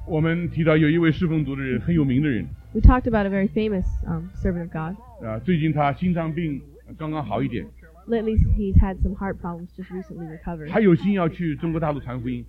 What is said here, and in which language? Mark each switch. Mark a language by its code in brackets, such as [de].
[zh] 我们提到有一位侍奉主的人，很有名的人。 [en] We talked about a very famous servant of God. [zh] 最近他心脏病刚刚好一点。 [en] Lately he's had some heart problems, just recently recovered. [zh] 他有心要去中国大陆传福音。